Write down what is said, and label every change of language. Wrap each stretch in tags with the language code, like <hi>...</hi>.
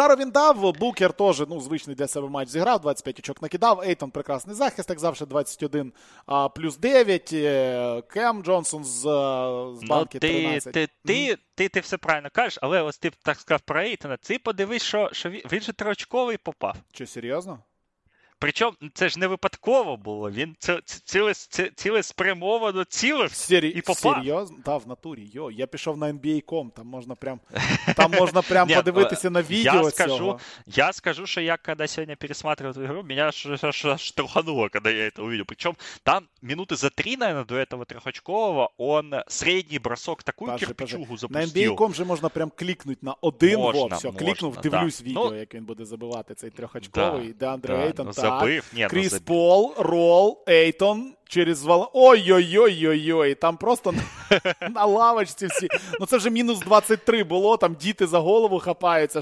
<uk>Жару він дав, Букер теж, звичний для себе матч зіграв, 25 очок накидав, Ейтон прекрасний захист, як завжди, 21 плюс 9, Кем Джонсон з банки 13. Ти все правильно кажеш, але ось ти так сказав про Ейтона. Ти подивись, що він же трьохочковий попав. Чи серйозно? Причому це ж не випадково було. Він цілеспрямовано цілився і попав. Серйозно? Да, в натурі. Йо, я пішов на NBA.com, там можна прям подивитися на відео цього. Я скажу, що я, коли сьогодні пересматривав ту гру, мене штурхануло, коли я це увидів. Причому там минути за три,</uk> <ru>наверное, до этого трьохочкового, он средний бросок такую кирпичугу запустив.</ru> <uk>На NBA.com же можна прям клікнути на один, клікнув, дивлюсь відео, як він буде забивати цей трьохочковий, де Андре Ейтон. Забив. Ні, Кріс Пол, Рол, Ейтон через вал. Ой-ой-ой-ой-ой. Там просто на лавочці всі. Ну це вже мінус 23 було, там діти за голову хапаються.</uk>